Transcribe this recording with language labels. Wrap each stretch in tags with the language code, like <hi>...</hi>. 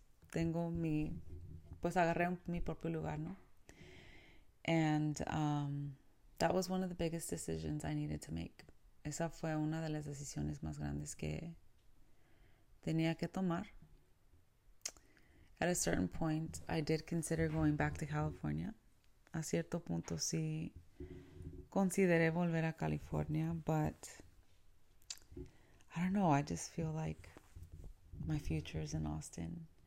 <es>Tengo mi, pues agarré mi propio lugar, ¿no?</es> <en>That was one of the biggest decisions I needed to make.</en> <es>Esa fue una de las decisiones más grandes que tenía que tomar.</es> <en>At a certain point, I did consider going back to California.</en> <es>A cierto punto, sí consideré volver a California,</es> <en>but I don't know, I just feel like my future is in Austin.</en>